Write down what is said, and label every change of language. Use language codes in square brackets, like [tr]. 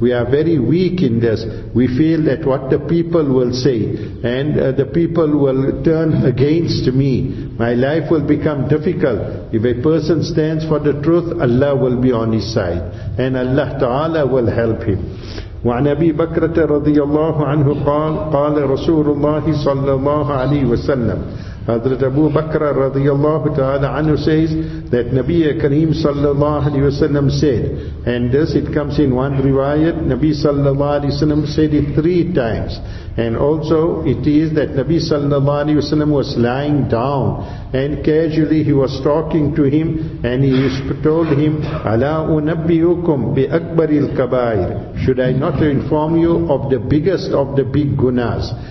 [en] We are very weak in this. We feel that what the people will say, and the people will turn against me, my life will become difficult. If a person stands for the truth, Allah will be on his side, and Allah Ta'ala will help him. [ar] وعن أبي بكرة رضي الله عنه قال قال رسول الله صلى الله عليه وسلم. [en] Hazrat Abu Bakr radiyallahu ta'ala anhu says that Nabi Kareem sallallahu alayhi wasallam said, and this it comes in one riwayat, Nabi sallallahu alayhi wasallam said it three times. And also it is that Nabi sallallahu alayhi wasallam was lying down, and casually he was talking to him, and he told him, Ala unabbiukum bi akbaril kabair, should I not inform you of the biggest of the big gunas?